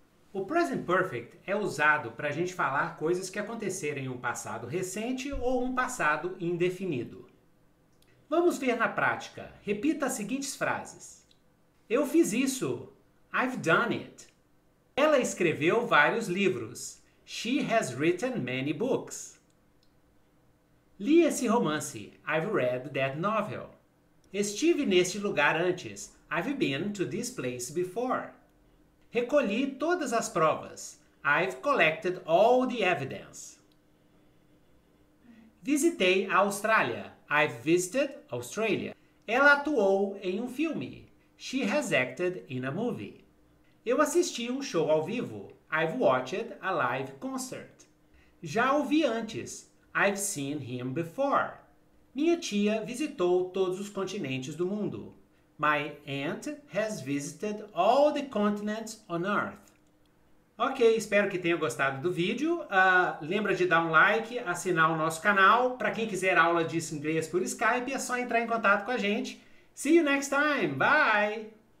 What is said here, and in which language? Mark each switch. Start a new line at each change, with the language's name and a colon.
Portuguese: O Present Perfect é usado para a gente falar coisas que aconteceram em um passado recente ou um passado indefinido. Vamos ver na prática. Repita as seguintes frases. Eu fiz isso.
English: I've done it.
Portuguese: Ela escreveu vários livros.
English: She has written many books.
Portuguese: Li esse romance.
English: I've read that novel.
Portuguese: Estive neste lugar antes.
English: I've been to this place before.
Portuguese: Recolhi todas as provas.
English: I've collected all the evidence.
Portuguese: Visitei a Austrália.
English: I've visited Australia.
Portuguese: Ela atuou em um filme.
English: She has acted in a movie.
Portuguese: Eu assisti um show ao vivo.
English: I've watched a live concert.
Portuguese: Já o vi antes.
English: I've seen him before.
Portuguese: Minha tia visitou todos os continentes do mundo.
English: My aunt has visited all the continents on Earth.
Portuguese: Ok, espero que tenha gostado do vídeo. Lembra de dar um like, assinar o nosso canal. Para quem quiser aula de inglês por Skype, é só entrar em contato com a gente.
English: See you next time. Bye!